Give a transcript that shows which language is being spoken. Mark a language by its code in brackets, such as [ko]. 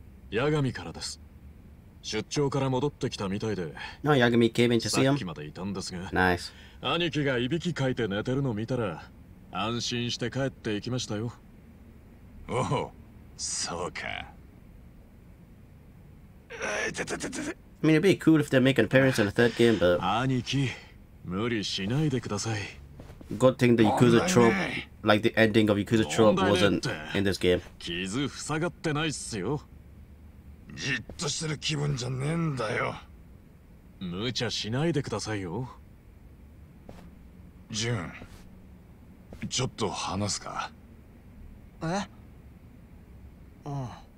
[ja] ヤガミからです。出張から戻ってきたみたいで。 [en] No, ヤガミ came in to see him. [ja] さっきまでいたんですが。 [en] Nice. [ja] 兄貴がいびきかいて寝てるの見たら、安心して帰っていきましたよ。おお、そうか。 [en] I mean, it'd be cool if they make an appearance in the third game, but... [ja] 兄貴、無理しないでください。 [en] Good thing the Yakuza trope, like the ending of Yakuza trope wasn't in this game. [ja] 傷塞がってないっすよ。じっとしてる気分じゃねえんだよ。無茶しないでくださいよ。ジュン、ちょっと話すか。え？うん。